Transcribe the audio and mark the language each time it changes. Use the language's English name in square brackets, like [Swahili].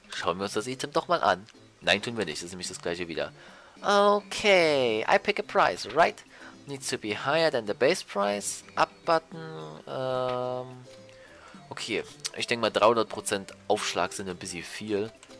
[German] Schauen wir uns das Item doch mal an. Nein, tun wir nicht. Das ist nämlich das gleiche wieder. [English] Okay, I pick a price, right? Needs to be higher than the base price. Up button. [German] Okay, ich denke mal 300% Aufschlag sind ein bisschen viel.